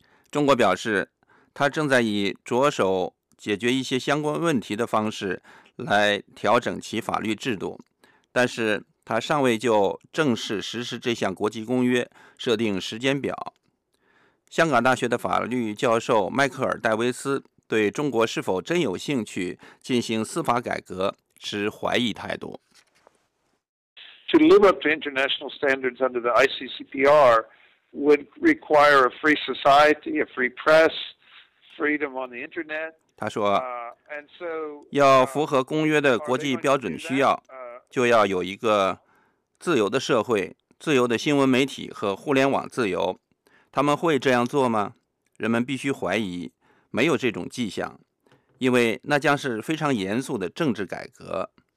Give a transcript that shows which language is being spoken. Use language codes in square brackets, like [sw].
[zh] 中国表示，他正在以着手解决一些相关问题的方式来调整其法律制度，但是他尚未就正式实施这项国际公约设定时间表。香港大学的法律教授迈克尔·戴维斯对中国是否真有兴趣进行司法改革持怀疑态度。 [en] To live up to international standards under the ICCPR would require a free society, a free press, freedom on the internet. [zh] 他说，要符合公约的国际标准需要，就要有一个自由的社会、自由的新闻媒体和互联网自由。他们会这样做吗？人们必须怀疑，没有这种迹象，因为那将是非常严肃的政治改革。